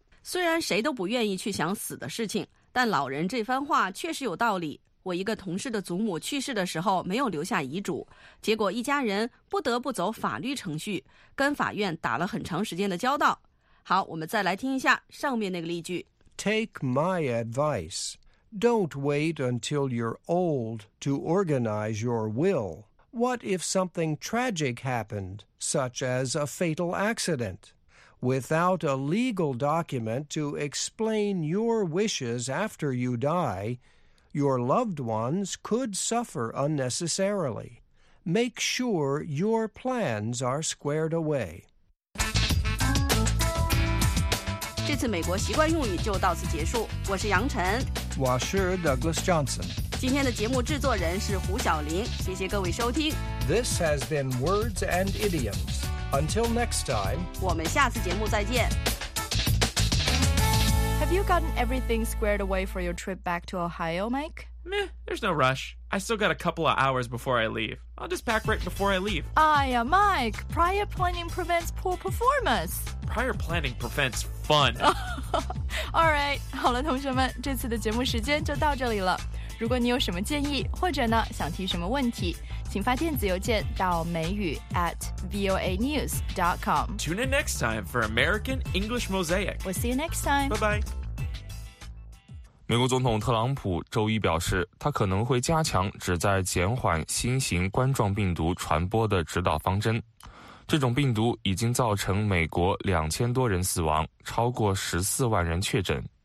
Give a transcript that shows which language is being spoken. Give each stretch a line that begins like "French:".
Chinese: 虽然谁都不愿意去想死的事情，但老人这番话确实有道理。我一个同事的祖母去世的时候没有留下遗嘱，结果一家人不得不走法律程序，跟法院打了很长时间的交道。好，我们再来听一下上面那个例句。
English: Take my advice. Don't wait until you're old to organize your will. What if something tragic happened, such as a fatal accident? Without a legal document to explain your wishes after you die, your loved ones could suffer unnecessarily. Make sure your plans are squared away.
Chinese: 这次美国习惯用语就到此结束，我是杨晨。我是 Douglas Johnson. 今天的节目制作人是胡晓玲，谢谢各位收听。
English: This has been Words and Idioms. Until next time,
Chinese: 我们下次节目再见。
English: Have you gotten everything squared away for your trip back to Ohio, Mike? Meh, there's no rush. I still got a couple of hours before I leave. I'll just pack right before I leave. Aya, Mike, prior planning prevents poor performance. Prior planning prevents fun. All right,
Chinese: 好了，同学们，这次的节目时间就到这里了。如果你有什么建议或者呢想提什么问题，请发电子邮件到美语 @voanews.com.
English: Tune in next time for American English Mosaic. We'll see you next time. Bye-bye.
Chinese: 美国总统特朗普周一表示，他可能会加强旨在减缓新型冠状病毒传播的指导方针。这种病毒已经造成美国2000多人死亡，超过14万人确诊。